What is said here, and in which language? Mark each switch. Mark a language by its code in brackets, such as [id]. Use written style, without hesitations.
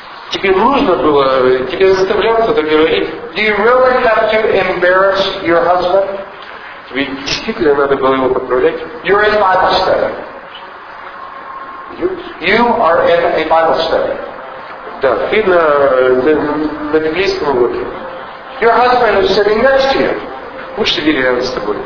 [ru] Тебе нужно было, тебе заставляться это говорить? [en] Do you really have to embarrass your husband? [ru] Тебе действительно надо было его поправлять? [en] You're in Bible study. You are in a Bible study. [ru] Да, ты на библейском уроке. [en] Your husband is sitting next to you. [ru] Муж сидит рядом с тобой.